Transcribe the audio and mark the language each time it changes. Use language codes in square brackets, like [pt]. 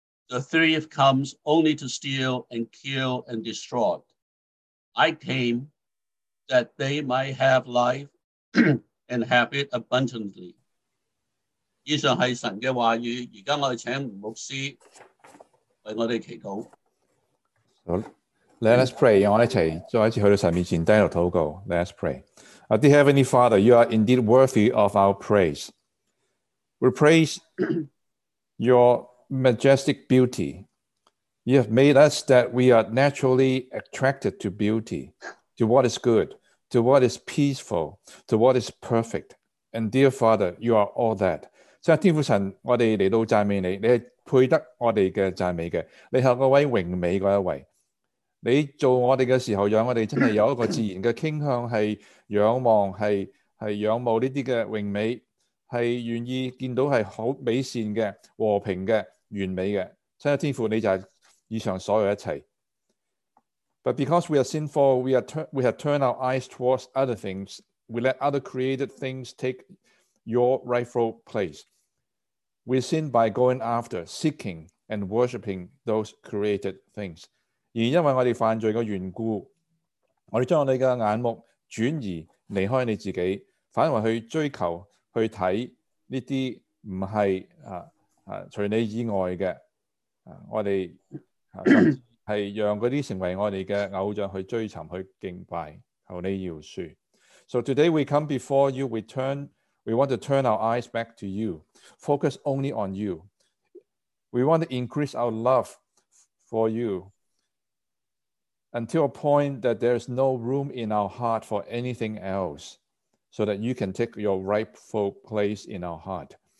[en] The thief comes only to steal and kill and destroy. I came that they might have life and have it abundantly. [zh] 以上是神的话语，现在我们请牧师为我们祈祷。 [en] 好， Let us pray. [zh] 我们一起再一次去到神面前低头祷告。 [en] Let us pray. Dear Heavenly Father, you are indeed worthy of our praise. We praise your majestic beauty. You have made us that we are naturally attracted to beauty, to what is good, to what is peaceful, to what is perfect. And dear Father, you are all that. [zh] 所以天父神，我们来到赞美你，你是配得我们的赞美的，你是那位荣美的一位。你做我们的时候，让我们真的有一个自然的倾向，是仰望，是仰慕这些荣美，是愿意见到是好美善的、和平的、完美的。亲爱的天父，你就是以上所有一切。 [en] But because we are sinful, we have turned our eyes towards other things. We let other created things take your rightful place. We sin by going after, seeking, and worshipping those created things. [zh] 而因为我们犯罪的缘故，我们将我们的眼目转移离开你自己，反而去追求去看这些不是除你以外的，我们是让那些成为我们的偶像去追寻去敬拜，求你饶恕。 [en] So today we come before you, we want to turn our eyes back to you, focus only on you. We want to increase our love for you until a point that there is no room in our heart for anything else, so that you can take your rightful place in our heart.